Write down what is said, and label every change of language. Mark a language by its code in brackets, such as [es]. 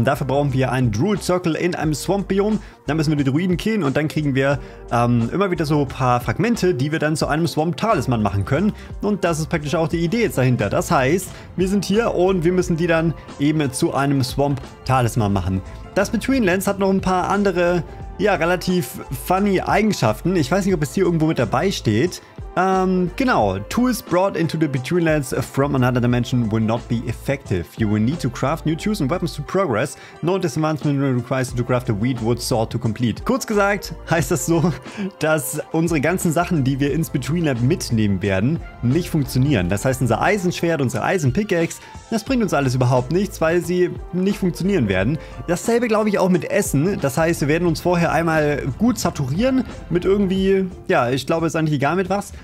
[de] Und dafür brauchen wir einen Druid Circle in einem Swamp-Biom. Dann müssen wir die Druiden killen und dann kriegen wir immer wieder so ein paar Fragmente, die wir dann zu einem Swamp-Talisman machen können. Und das ist praktisch auch die Idee jetzt dahinter. Das heißt, wir sind hier und wir müssen die dann eben zu einem Swamp-Talisman machen. Das Betweenlands hat noch ein paar andere, ja, relativ funny Eigenschaften. Ich weiß nicht, ob es hier irgendwo mit dabei steht. Genau. [en] Tools brought into the Betweenlands from another dimension will not be effective. You will need to craft new tools and weapons to progress. No disadvancement requires you to craft a weed wood sword to complete. [de] Kurz gesagt heißt das so, dass unsere ganzen Sachen, die wir ins Betweenland mitnehmen werden, nicht funktionieren. Das heißt, unser Eisenschwert, unsere Eisenpickaxe, das bringt uns alles überhaupt nichts, weil sie nicht funktionieren werden. Dasselbe glaube ich auch mit Essen. Das heißt, wir werden uns vorher einmal gut saturieren mit irgendwie, ja, ich glaube, ist eigentlich egal mit was.